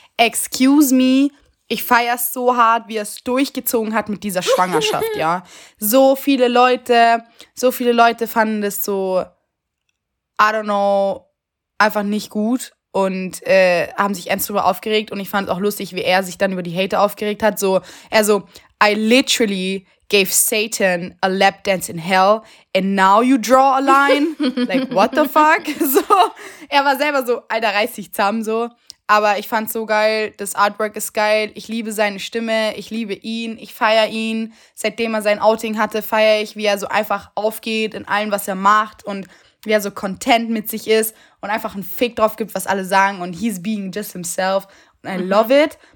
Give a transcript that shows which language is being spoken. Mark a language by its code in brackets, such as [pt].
[en] Excuse me, [de] ich feiere es so hart, wie er es durchgezogen hat mit dieser Schwangerschaft, ja. So viele Leute fanden das so, [en] I don't know, [de] einfach nicht gut und haben sich ernst darüber aufgeregt. Und ich fand es auch lustig, wie er sich dann über die Hater aufgeregt hat. [en] So, also, I literally gave Satan a lap dance in hell and now you draw a line? Like, what the fuck? [de] So, er war selber so, Alter, reiß dich zusammen, so. Aber ich fand's so geil, das Artwork ist geil, ich liebe seine Stimme, ich liebe ihn, ich feiere ihn. Seitdem er sein Outing hatte, feiere ich, wie er so einfach aufgeht in allem, was er macht und wie er so content mit sich ist und einfach einen Fick drauf gibt, was alle sagen und [en] he's being just himself and I love it.